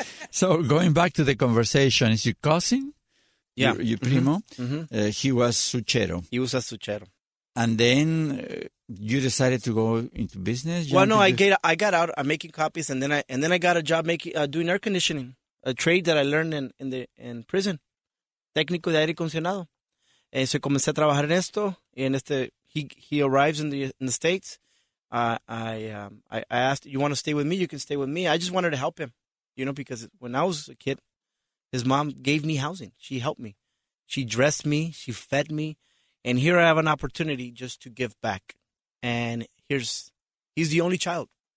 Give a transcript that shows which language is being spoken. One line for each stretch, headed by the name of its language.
English: So going back to the conversation, is your cousin? Yeah. Your primo? Mm-hmm. He was suchero. He was a suchero. And then you decided to go into business? I got out. I'm making copies, and then I got a job making doing air conditioning, a trade that I learned in prison.
Spanish: Técnico de aire acondicionado.
English: And so
Spanish: comencé a trabajar en esto.
English: And he arrives in the States. I asked, you want to stay with me? You can stay with me. I just wanted to help him, you know, because when I was a kid, his mom gave me housing. She helped me. She dressed me. She fed me. And here I have an opportunity just to give back. And he's the only child.